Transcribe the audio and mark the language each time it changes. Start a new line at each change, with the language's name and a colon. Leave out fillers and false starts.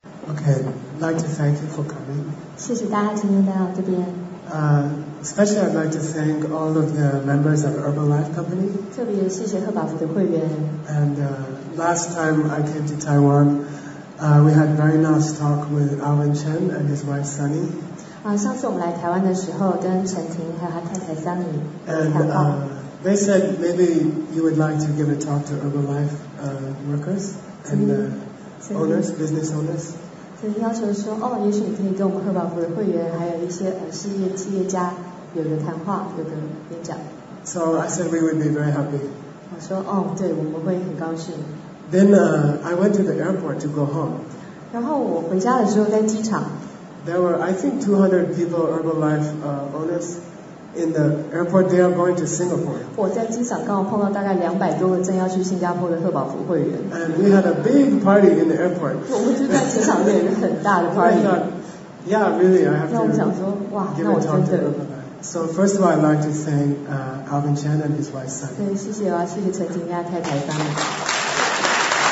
English: and I'd like to thank you for coming.
Chinese: 谢谢大家今天来到这边。
English: Especially I'd like to thank all of the members of Herbalife Company.
Chinese: 特别谢谢赫宝福的会员。
English: And last time I came to Taiwan, we had a very nice talk with Alvin Chen and his wife Sunny.
Chinese: 上次我们来台湾的时候，跟陈婷还有她太太 Sunny 谈话。
English: They said maybe you would like to give a talk to Herbalife workers and owners, business owners.
Chinese: 曾经要求说，哦，也许你可以跟我们赫宝福的会员，还有一些事业企业家有个谈话，有个演讲。
English: So I said we would be very happy.
Chinese: 我说，哦，对，我们会很高兴。
English: Then I went to the airport to go home.
Chinese: 然后我回家的时候在机场。
English: There were, I think, 200 people, Herbalife owners. In the airport, they are going to Singapore.
Chinese: 我在机场刚好碰到大概两百多个正要去新加坡的赫宝福会员。
English: And we had a big party in the airport.
Chinese: 我们就在机场那边很大的 party.
English: I thought, yeah, really, I have to.
Chinese: 那我想说，哇，那我真的。
English: So first of all, I'd like to thank Alvin Chen and his wife Sunny.
Chinese: 对，谢谢啊，谢谢陈婷亚太太帮忙。